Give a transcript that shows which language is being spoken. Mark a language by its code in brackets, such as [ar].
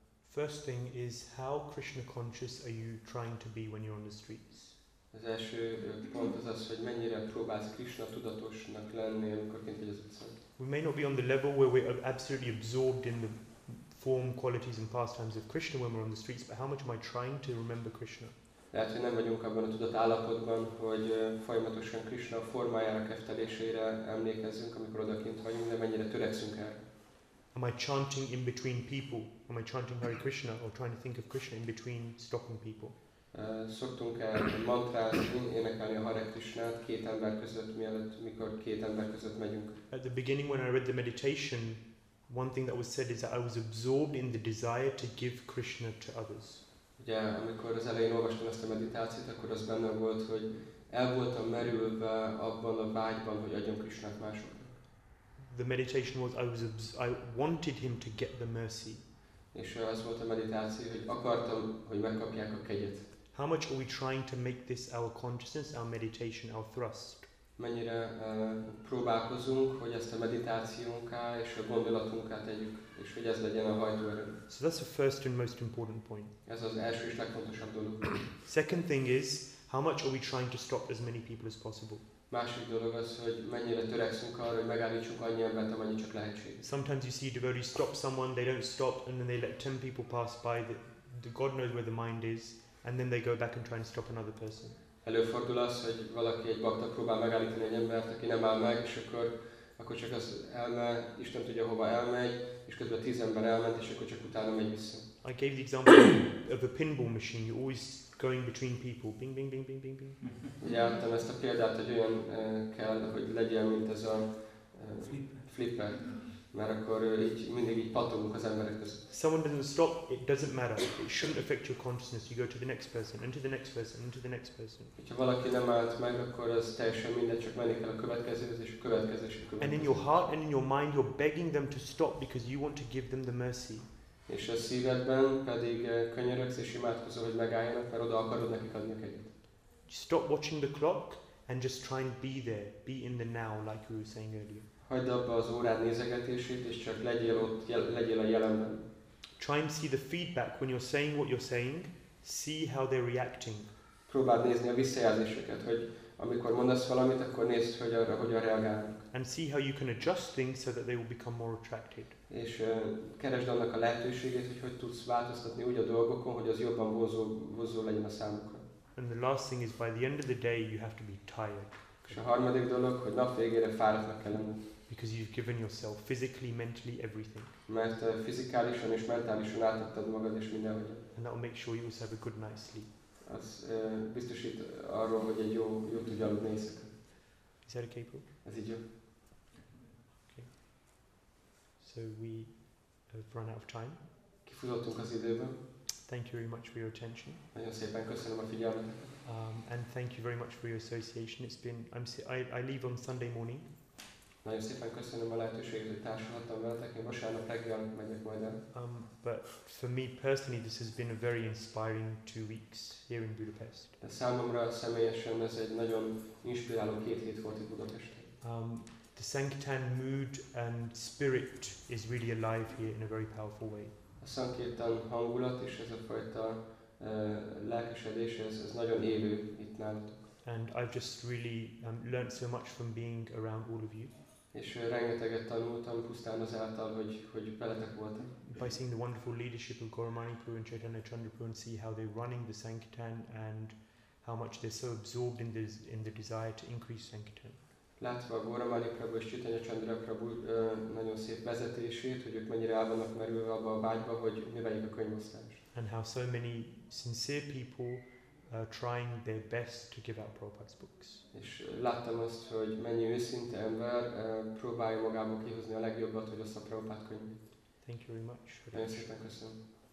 [en] First thing is, how Krishna conscious are you trying to be when you're on the streets? [hu] Az első pont az, hogy mennyire próbálsz Krishna tudatosnak lenni, amikor kint vagy az utcán. [en] We may not be on the level where we're absolutely absorbed in the form, qualities and pastimes of Krishna when we're on the streets, but how much am I trying to remember Krishna? [hu] Lehet, hogy nem vagyunk abban a tudatállapotban, hogy folyamatosan Krishna formájára, keftelésére emlékezzünk, amikor odakint vagyunk, de mennyire törekszünk el. [en] Am I chanting in between people? Am I chanting Hare Krishna or trying to think of Krishna in between stopping people? [hu] Szoktunk-e mantrázni, énekelni a Hare Krishnát két ember között, mielőtt, mikor két ember között megyünk? [en] At the beginning when I read the meditation, one thing that was said is that I was absorbed in the desire to give Krishna to others. [hu] Ugye, amikor az elején olvastam ezt a meditációt, akkor az benne volt, hogy el voltam merülve abban a vágyban, hogy adjam Krishnát másoknak. [en] The meditation was I wanted him to get the mercy. [hu] És az volt a meditáció, hogy akartam, hogy megkapják a kegyet. [en] How much are we trying to make this our consciousness, our meditation, our thrust? [hu] Mennyire próbálkozunk, hogy ezt a meditációnká és a gondolatunká tegyük, és hogy ez legyen a hajtóerő. [en] So that's the first and most important point. [hu] Ez az első és legfontosabb dolog. [en] Second thing is, how much are we trying to stop as many people as possible? [hu] Másik dolog az, hogy mennyire törekszünk arra, hogy megállítsunk annyi embert, amennyi csak lehetség. [en] Sometimes you see devotees stop someone, they don't stop, and then they let 10 people pass by, the God knows where the mind is, and then they go back and try and stop another person. [hu] Előfordul az, hogy valaki egy bakta próbál megállítani egy embert, aki nem áll meg, és akkor csak az elme, Isten tudja hova elmegy, és közben 10 ember elment, és akkor csak utána megy vissza. [en] I gave the example of a pinball machine. You always going between people, bing bing bing bing bing bing. [hu] Ja, tehát ezt a példát, hogy olyan kell, hogy legyen, mint ez a flipper. Mert akkor így mindig így patogunk az emberek között. [en] Someone doesn't stop, it doesn't matter. It shouldn't affect your consciousness. You go to the next person, and to the next person, and to the next person. [hu] Ha valaki nem állt meg, akkor az teljesen mindegy, csak menni kell a következőhez, és a következőhez, és a következőhez. [en] And in your heart and in your mind, you're begging them to stop because you want to give them the mercy. [hu] És a szívedben pedig könyörögsz és imádkozol, hogy megálljanak, mert oda akarod nekik adni a kegyet. [en] Stop watching the clock and just try and be there, be in the now, like we were saying earlier. [hu] Hagyd abba az órád nézegetését, és csak legyél ott, legyél a jelenben. [en] Try and see the feedback when you're saying what you're saying, see how they're reacting. [hu] Próbáld nézni a visszajelzéseket, hogy amikor mondasz valamit, akkor nézd, hogy arra hogyan reagálnak. [en] And see how you can adjust things so that they will become more attracted. [hu] És keresd annak a lehetőségét, hogy hogy tudsz változtatni úgy a dolgokon, hogy az jobban vonzó legyen a számukra. [en] And the last thing is, by the end of the day, you have to be tired. [hu] És a harmadik dolog, hogy nap végére fáradtnak kell lenni. [en] Because you've given yourself physically, mentally, everything. [hu] Mert fizikálisan és mentálisan átadtad magad és mindenhogy. [en] And that will make sure you also have a good night's sleep. [hu] Az biztosít arról, hogy egy jó tudj aludni éjszaka. [en] Is that okay, Paul? [hu] Ez így jó. [en] Okay. So we have run out of time. [hu] Kifutottunk az időben. [en] Thank you very much for your attention. [hu] Nagyon szépen köszönöm a figyelmet. [en] And thank you very much for your association. It's been I leave on Sunday morning. [hu] Nagyon szépen köszönöm a lehetőséget, hogy társulhattam veletek. Én vasárnap reggel megyek majd el. [en] But for me personally, this has been a very inspiring 2 weeks here in Budapest. [hu] De számomra személyesen ez egy nagyon inspiráló 2 hét volt itt Budapesten. [en] The Sankirtan mood and spirit is really alive here in a very powerful way. [hu] A Sankirtan hangulat és ez a fajta lelkesedés, ez nagyon élő itt nálatok. [en] And I've just really learned so much from being around all of you. [hu] És rengeteget tanultam pusztán azáltal, hogy veletek voltam. [en] By seeing the wonderful leadership of Goramanipur and Chaitanya Chandrapur and see how they're running the Sankirtan and how much they're so absorbed in the desire to increase Sankirtan. [hu] Látva a Goramanipur és Chaitanya Chandrapur nagyon szép vezetését, hogy ők mennyire el vannak merülve abba a vágyba, hogy növeljük a könyvosztást. [en] And how so many sincere people are trying their best to give out Prabhupada's books. [hu] És láttam azt, hogy mennyi őszinte ember próbálja magából kihozni a legjobbat, hogy azt a Prabhupada könyvét. [en] Thank you very much. [hu] Nagyon szépen köszönöm.